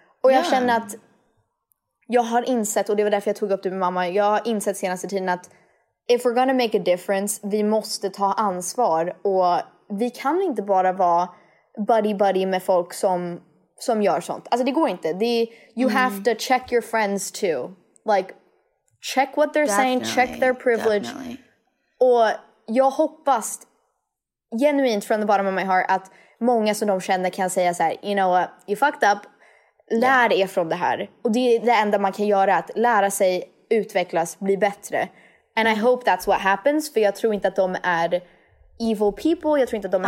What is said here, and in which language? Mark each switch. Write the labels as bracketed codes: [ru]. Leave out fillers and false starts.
[sv] Och jag känner att jag har insett, och det var därför jag tog upp det med mamma, jag har insett senaste tiden att [en] if we're gonna make a difference, [sv] vi måste ta ansvar. Och vi kan inte bara vara buddy-buddy med folk som gör sånt. Alltså det går inte. [en] You have to check your friends too. Like, check what they're saying, check their privilege. Definitely. [sv] Och jag hoppas, genuint [en] from the bottom of my heart, [sv] att många som de känner kan säga så här: [en] you know what, you fucked up. [sv] Lär er från det här. Och det är det enda man kan göra, att lära sig, utvecklas, bli bättre. [en] And I hope that's what happens, [sv] för jag tror inte att de är... [en] evil people, [sv] jag tror inte att de är